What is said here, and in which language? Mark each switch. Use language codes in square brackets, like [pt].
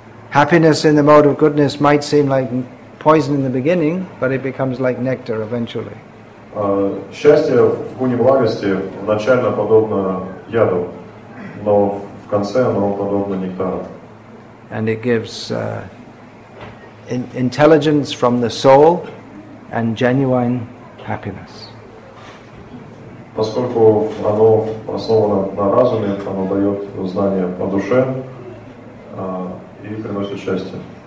[en] Happiness in the mode of goodness might seem like poison in the beginning, but it becomes like nectar eventually. [ru] Счастье в гуне благости вначале подобно яду, но в конце оно подобно нектару. [en] And it gives intelligence from the soul and genuine happiness. [ru] Поскольку оно основано на разуме, оно дает знания по душе, и приносит счастье.